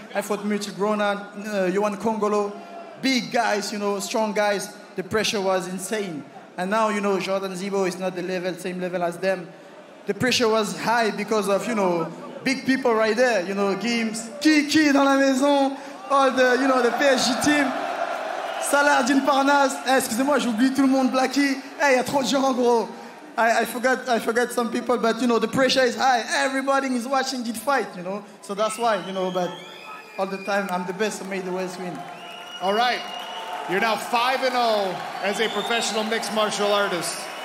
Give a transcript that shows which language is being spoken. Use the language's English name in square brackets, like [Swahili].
[English] I fought Mirti Gronan, Yohan Kongolo, big guys, you know, strong guys. The pressure was insane. And now, you know, Jordan Zebo is not the level, same level as them. The pressure was high because of, you know, big people right there, you know, Gims, Kiki dans la maison, all the, you know, the PSG team. [French] Salahdin Parnasse, hey, excusez-moi, j'oublie tout le monde, Blackie. Hey, y'a trop de gens, gros. [English] I forgot some people, but you know, the pressure is high. Everybody is watching this fight, you know? So that's why, you know, but all the time, I'm the best, I made the West win. All right, you're now 5-0 as a professional mixed martial artist.